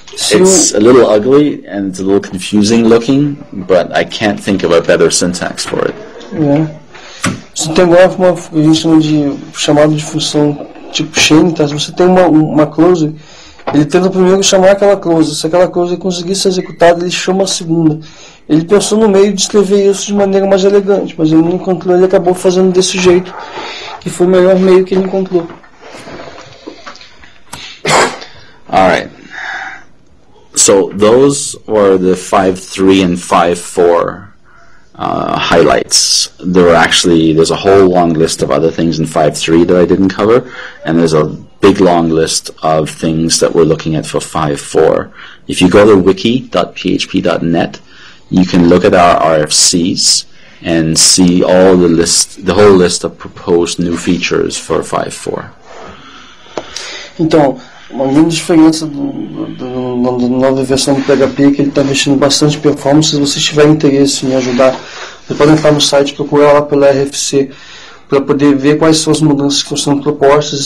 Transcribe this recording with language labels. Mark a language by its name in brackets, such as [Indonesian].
[English] It's a little ugly and it's a little confusing looking, but I can't think of a better syntax for it. [Portuguese] Você tem agora uma, a gente chama de chamada de função tipo chain, tá? Se você tem uma close, ele tenta primeiro chamar aquela close. Se aquela close conseguir ser executada, ele chama a segunda. Ele pensou no meio de escrever isso de maneira mais elegante, mas ele não encontrou, ele acabou fazendo desse jeito, que foi o melhor meio que ele encontrou. [English] Alright. So those were the 5.3 and 5.4 highlights. There were actually, there's a whole long list of other things in 5.3 that I didn't cover, and there's a big long list of things that we're looking at for 5.4. If you go to wiki.php.net, you can look at our RFCs and see all the list, the whole list of proposed new features for 5.4. [Portuguese] Então, uma grande diferença da nova versão do PHP é que ele está investindo bastante performance. Se você tiver interesse em ajudar, você pode entrar no site e procurar lá pela RFC para poder ver quais são as mudanças que estão sendo propostas.